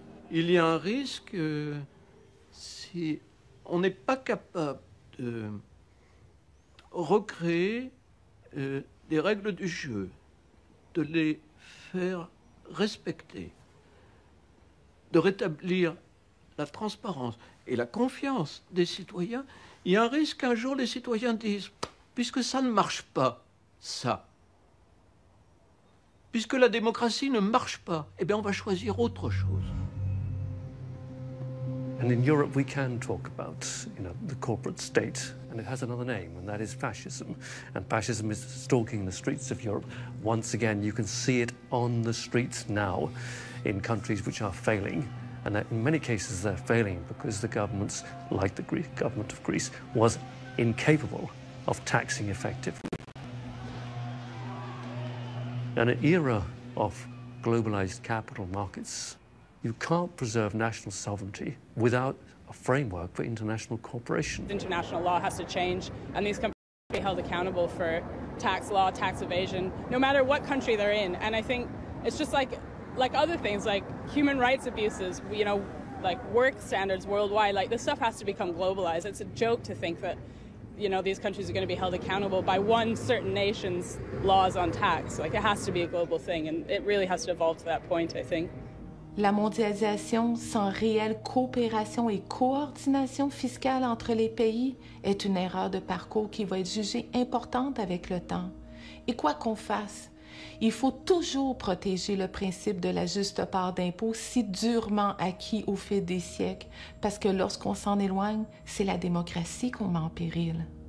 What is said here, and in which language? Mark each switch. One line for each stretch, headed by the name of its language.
French: il y a un risque si on n'est pas capable de recréer des règles du jeu, de les faire respecter, de rétablir la transparence et la confiance des citoyens, il y a un risque qu'un jour les citoyens disent, puisque ça ne marche pas, ça, puisque la démocratie ne marche pas, eh bien on va choisir autre chose.
English: And in Europe, we can talk about, you know, the corporate state, and it has another name, and that is fascism. And fascism is stalking the streets of Europe. Once again, you can see it on the streets now in countries which are failing, and that in many cases they're failing because the governments, like the Greek government of Greece, was incapable of taxing effectively. In an era of globalized capital markets, you can't preserve national sovereignty without a framework for international cooperation. International law has to change, and these companies have to be held accountable for tax law, tax evasion, no matter what country they're in. And I think it's just like other things, like human rights abuses, you know, like work standards worldwide, like this stuff has to become globalized. It's a joke to think that, you know, these countries are going to be held accountable by one certain nation's laws on tax. Like, it has to be a global thing, and it really has to evolve to that point, I think.
French: La mondialisation sans réelle coopération et coordination fiscale entre les pays est une erreur de parcours qui va être jugée importante avec le temps. Et quoi qu'on fasse, il faut toujours protéger le principe de la juste part d'impôts si durement acquis au fil des siècles, parce que lorsqu'on s'en éloigne, c'est la démocratie qu'on met en péril.